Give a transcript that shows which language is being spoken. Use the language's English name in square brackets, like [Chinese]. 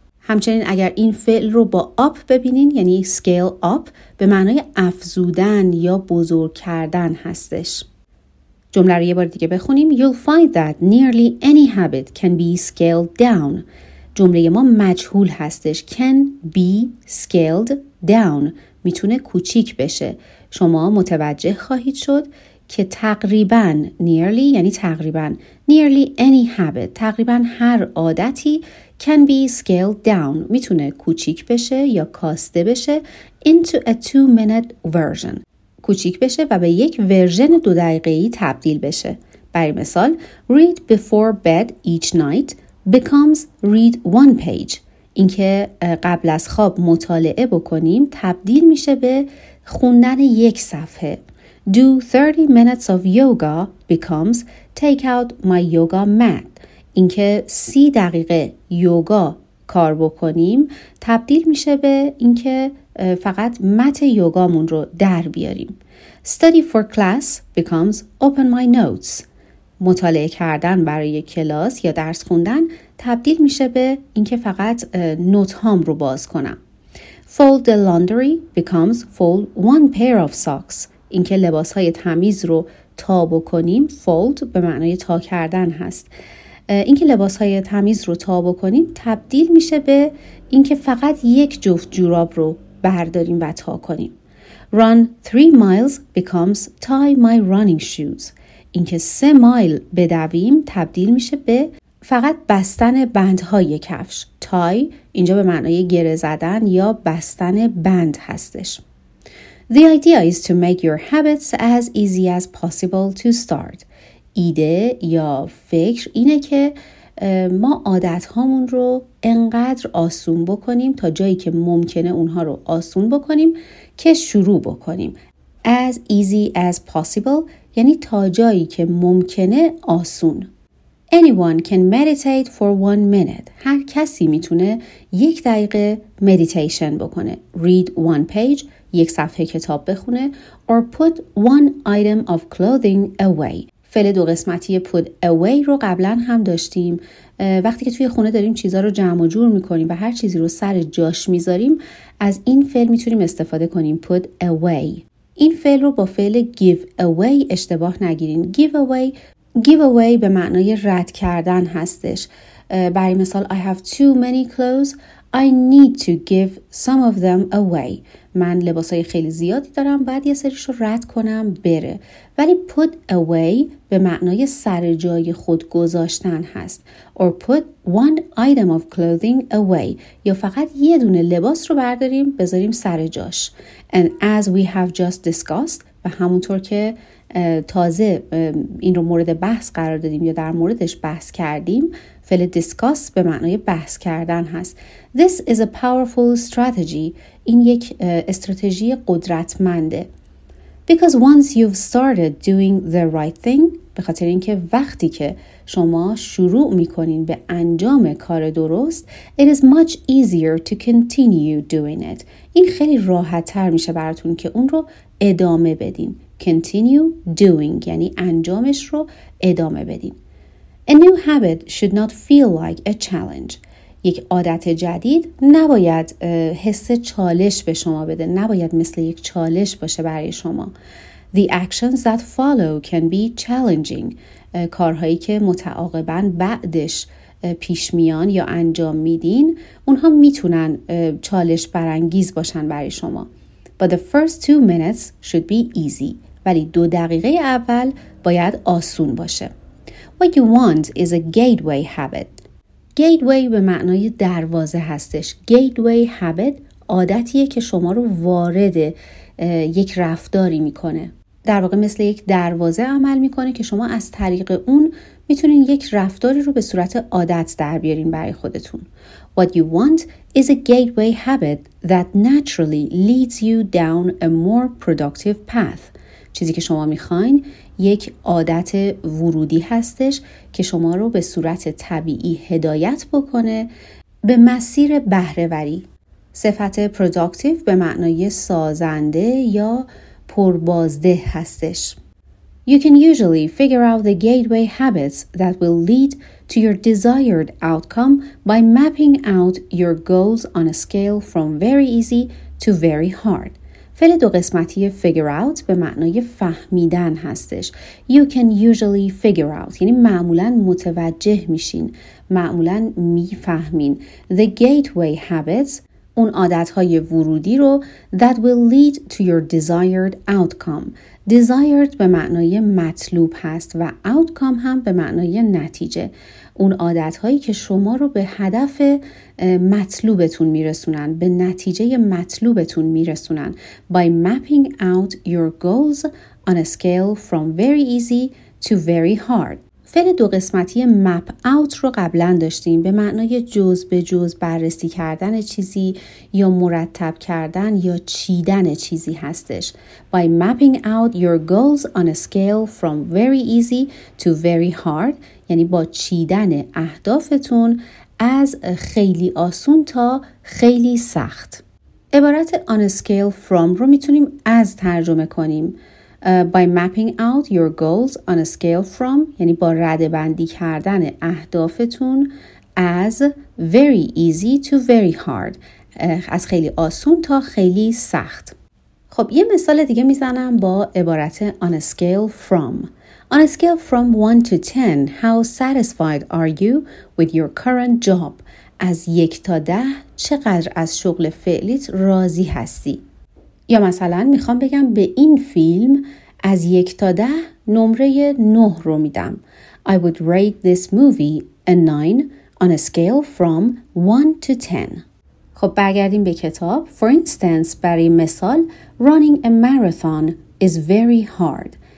[Persian] همچنین اگر این فعل رو با up ببینین یعنی scale up به معنای افزودن یا بزرگ کردن هستش. جمله رو یه بار دیگه بخونیم. [English] You'll find that nearly any habit can be scaled down. [Persian] جمله ما مجهول هستش. [English] Can be scaled down. [Persian] میتونه کوچیک بشه. شما متوجه خواهید شد که تقریباً nearly یعنی تقریباً [English] nearly any habit [Persian] تقریباً هر عادتی [English] can be scaled down [Persian] میتونه کوچیک بشه یا کاسته بشه [English] into a 2-minute version [Persian] کوچیک بشه و به یک ورژن 2 دقیقه‌ای تبدیل بشه برای مثال [English] read before bed each night becomes read 1 page [Persian] اینکه قبل از خواب مطالعه بکنیم تبدیل میشه به خوندن 1 صفحه [English] do 30 minutes of yoga becomes take out my yoga mat [Persian] اینکه 30 دقیقه یوگا کار بکنیم تبدیل میشه به اینکه فقط مت یوگامون رو در بیاریم. [English] Study for class becomes open my notes. [Persian] مطالعه کردن برای کلاس یا درس خوندن تبدیل میشه به اینکه فقط نوت هام رو باز کنم. [English] Fold the laundry becomes fold 1 pair of socks. [Persian] اینکه لباس های تمیز رو تا بکنیم fold به معنای تا کردن هست. اینکه لباس‌های تمیز رو تا بکنیم تبدیل میشه به اینکه فقط 1 جفت جوراب رو برداریم و تا کنیم. [English] Run 3 miles becomes tie my running shoes. [Persian] اینکه 3 مایل بدویم تبدیل میشه به فقط بستن بندهای کفش. Tie اینجا به معنای گره زدن یا بستن بند هستش. [English] The idea is to make your habits as easy as possible to start. [Persian] ایده یا فکر اینه که ما عادت هامون رو انقدر آسون بکنیم تا جایی که ممکنه اونها رو آسون بکنیم که شروع بکنیم. [English] As easy as possible [Persian] یعنی تا جایی که ممکنه آسون. [English] Anyone can meditate for 1 minute. [Persian] هر کسی میتونه 1 دقیقه مدیتیشن بکنه. [English] Read 1 page، [Persian] 1 صفحه کتاب بخونه. [English] Or put 1 item of clothing away. [Persian] فعل 2 قسمتی put away رو قبلا هم داشتیم. وقتی که توی خونه داریم چیزا رو جمع و جور میکنیم و هر چیزی رو سر جاش میذاریم از این فعل میتونیم استفاده کنیم put away. این فعل رو با فعل give away اشتباه نگیرین. Give away به معنای رد کردن هستش. برای مثال [English] I have too many clothes. I need to give some of them away. [Persian] من لباسای خیلی زیادی دارم باید یه سریش رو رد کنم بره. ولی put away به معنای سر جای خود گذاشتن هست. [English] Or put 1 item of clothing away. [Persian] یا فقط 1 دونه لباس رو برداریم بذاریم سر جاش. [English] And as we have just discussed [Persian] و همونطور که تازه این رو مورد بحث قرار دادیم یا در موردش بحث کردیم فعل discuss به معنای بحث کردن هست. [English] This is a powerful strategy. [Persian] این یک استراتژی قدرتمنده. [English] Because once you've started doing the right thing, [Persian] به خاطر اینکه وقتی که شما شروع میکنین به انجام کار درست, [English] it is much easier to continue doing it. [Persian] این خیلی راحت تر میشه براتون که اون رو ادامه بدین. [English] Continue doing [Persian] یعنی انجامش رو ادامه بدین. [English] A new habit should not feel like a challenge. [Persian] یک عادت جدید نباید حس چالش به شما بده. نباید مثل یک چالش باشه برای شما. [English] The actions that follow can be challenging. [Persian] کارهایی که متعاقباً بعدش پیش میان یا انجام میدین اونها میتونن چالش برانگیز باشن برای شما. [English] But the first 2 minutes should be easy. [Persian] ولی 2 دقیقه اول باید آسون باشه. [English] What you want is a gateway habit. [Persian] Gateway به معنای دروازه هستش. Gateway habit عادتیه که شما رو وارد یک رفتاری میکنه. در واقع مثل یک دروازه عمل میکنه که شما از طریق اون میتونین یک رفتاری رو به صورت عادت در بیارین برای خودتون. [English] What you want is a gateway habit that naturally leads you down a more productive path. [Persian] چیزی که شما میخواین یک عادت ورودی هستش که شما رو به صورت طبیعی هدایت بکنه به مسیر بهره‌وری. صفت productive به معنای سازنده یا پربازده هستش. [English] You can usually figure out the gateway habits that will lead to your desired outcome by mapping out your goals on a scale from very easy to very hard. [Persian] فعل دو قسمتی figure out به معنای فهمیدن هستش. [English] You can usually figure out [Persian] یعنی معمولا متوجه میشین، معمولا میفهمین. [English] The gateway habits، [Persian] اون عادتهای ورودی رو، [English] that will lead to your desired outcome. [Persian] Desired به معنای مطلوب هست و outcome هم به معنای نتیجه. اون عادتهایی که شما رو به هدف مطلوبتون میرسونن، به نتیجه مطلوبتون میرسونن. [English] By mapping out your goals on a scale from very easy to very hard. [Persian] فعل دو قسمتی map out رو قبلا داشتیم، به معنای جز به جز بررسی کردن چیزی یا مرتب کردن یا چیدن چیزی هستش. [English] By mapping out your goals on a scale from very easy to very hard، [Persian] یعنی با چیدن اهدافتون از خیلی آسون تا خیلی سخت. عبارت on a scale from رو میتونیم از ترجمه کنیم. [English] By mapping out your goals on a scale from، [Persian] یعنی با رده بندی کردن اهدافتون از [English] very easy to very hard، [Persian] از خیلی آسون تا خیلی سخت. خب یه مثال دیگه میزنم با عبارت on a scale from. [English] On a scale from 1 to 10, how satisfied are you with your current job؟ [Persian] از 1 تا 10 چقدر از شغل فعلیت راضی هستی؟ یا مثلا میخوام بگم به این فیلم از 1 تا 10 نمره 9 رو میدم. [English] I would rate this movie a 9 on a scale from 1 to 10. [Persian] خب برگردیم به کتاب. [English] For instance، [Persian] برای مثال، [English] running a marathon is very hard.